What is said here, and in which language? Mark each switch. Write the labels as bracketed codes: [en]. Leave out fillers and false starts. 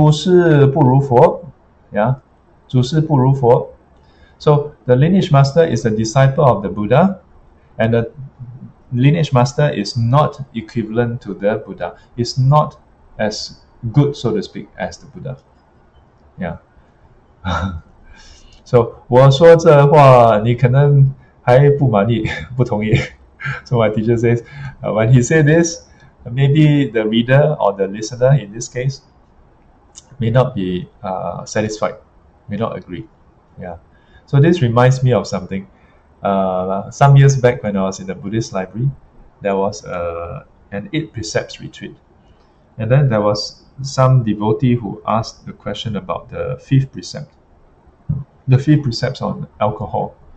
[zh] 祖师不如佛, yeah, 祖师不如佛. [en] So the lineage master is the disciple of the Buddha, and the lineage master is not equivalent to the Buddha. It's not as good, so to speak, as the Buddha. Yeah. [zh] So 我说这话，你可能还不满意，不同意。 [en] So my teacher says, when he said this, maybe the reader or the listener in this case may not be satisfied, may not agree. Yeah. So this reminds me of something. Some years back, when I was in the Buddhist library, there was an 8 precepts retreat, and then there was some devotee who asked the question about the 5th precept, the 5 precepts on alcohol.